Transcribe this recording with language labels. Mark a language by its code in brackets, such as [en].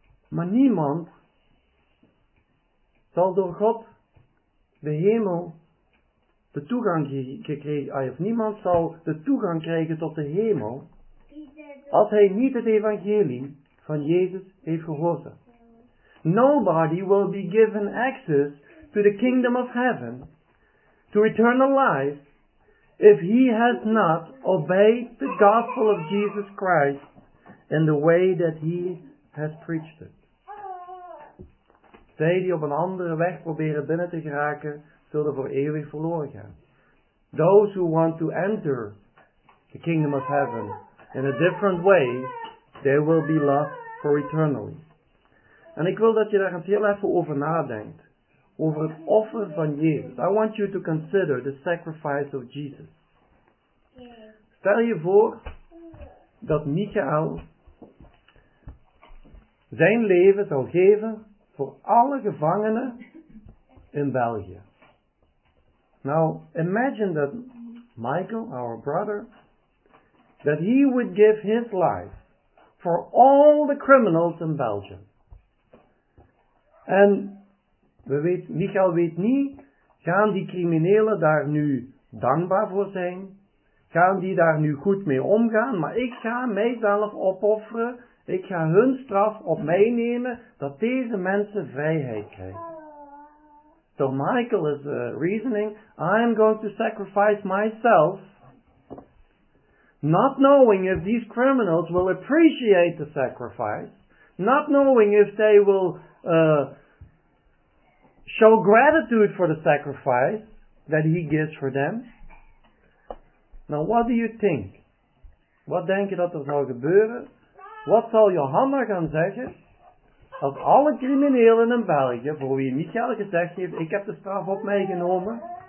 [nl] Maar niemand zal door God de hemel de toegang gekregen, of niemand zal de toegang krijgen tot de hemel, als hij niet het evangelie van Jezus heeft gehoord. [en] Nobody will be given access to the kingdom of heaven, to eternal life, if he has not obeyed the gospel of Jesus Christ in the way that he has preached it. [nl] Zij die op een andere weg proberen binnen te geraken, zullen voor eeuwig verloren gaan. [en] Those who want to enter the kingdom of heaven in a different way, they will be lost for eternally. [nl] En ik wil dat je daar eens heel even over nadenkt. Over het offer van Jezus. [en] I want you to consider the sacrifice of Jesus. [nl] Stel je voor dat Michael zijn leven zou geven voor alle gevangenen in België. [en] Now, imagine that Michael, our brother, that he would give his life for all the criminals in Belgium. [nl] And Michael weet niet, gaan die criminelen daar nu dankbaar voor zijn? Gaan die daar nu goed mee omgaan? Maar ik ga mijzelf opofferen. Ik ga hun straf op mij nemen, dat deze mensen vrijheid krijgen. [en] So Michael is reasoning, I am going to sacrifice myself, not knowing if these criminals will appreciate the sacrifice, not knowing if they will show gratitude for the sacrifice that he gives for them. Now what do you think? [nl] Wat denk je dat er zou gebeuren? Wat zal Johanna gaan zeggen als alle criminelen in België, voor wie Michael gezegd heeft, ik heb de straf op mij genomen.